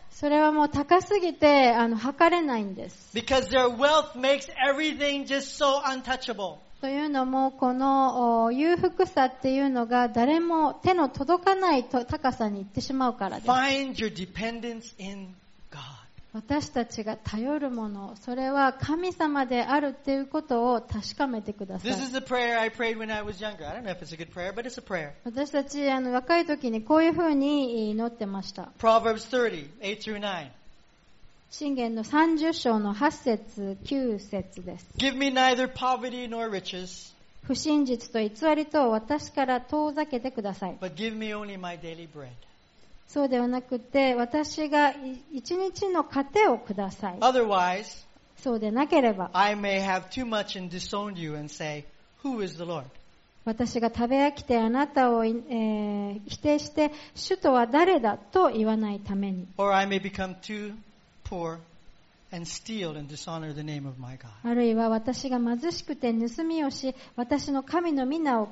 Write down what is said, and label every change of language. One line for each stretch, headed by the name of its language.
Japanese: それはもう高すぎて測れないんです。
English: Because their wealth makes everything just so untouchable.
Japanese: というのもこの裕福さっていうのが誰も手の届かない高さに行ってしまうからです。
English: Find your dependence in God.
Japanese: 私たちが頼るもの、それは神様であるっていうことを確かめてください。
English: This is a prayer I prayed when I was younger. I don't know if it's a good prayer, but it's a prayer.
Japanese: 私たち若い時にこういうふうに祈ってました。
English: Proverbs 30:8-9.
Japanese: 箴言の30章の8節9節です。
English: Give me neither poverty nor riches.
Japanese: 不真実と偽りと私から遠ざけてください。
English: But give me only my daily bread.
Japanese: そうではなくて、私が一日の糧をください。
English: Otherwise,
Japanese: そうでなければ、
English: I may have too much and disown you and say, Who is the Lord?
Japanese: 私が食べ飽きてあなたを、否定して主とは誰だと言わないために、あるいは私が貧しくて盗みをし私の神の名を